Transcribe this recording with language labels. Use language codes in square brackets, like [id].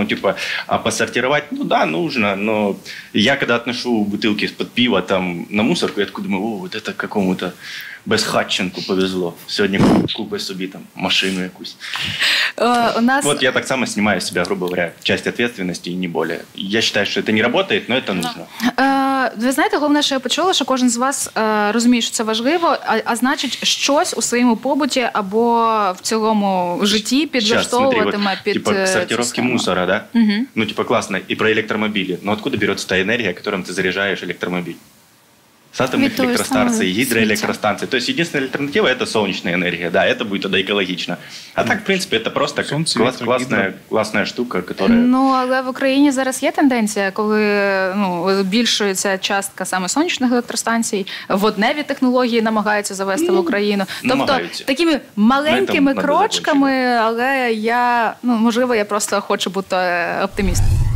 [ru] Ну, типа, а посортировать, ну да, нужно, но я когда отношу бутылки из-под пива там на мусорку, я такой думаю, о, вот это какому-то Безхатченку повезло. Сегодня купе с убитым, [uk] машину якусь. [ru] У нас... Вот я так само снимаю с себя, грубо говоря, часть ответственности и не более. Я считаю, [uk] що це [ru] не работает, но это нужно. [uk] Ви знаєте, головне, що я почула, що кожен з вас розуміє, що це важливо, а значить, щось у своєму побуті або в цілому житті підлаштовуватиме під [ru] типа, сортировки мусора, да? Угу. [uk] Ну, типа, класно, і про електромобілі. Ну, откуда береться та енергія, которым ти заряджаєш електромобіль? [ru] С атомных электростанций, гидроэлектростанций. То есть единственная альтернатива – это солнечная энергия. Да, это будет тогда экологично. А так, в принципе, это просто солнце, классная штука, которая… [uk] Ну, але в Україні зараз є тенденція, коли збільшується частка саме сонячних електростанцій, водневі технології намагаються завести в Україну. Тобто, такими маленькими крочками, але я, ну, можливо, я просто хочу бути оптимістом.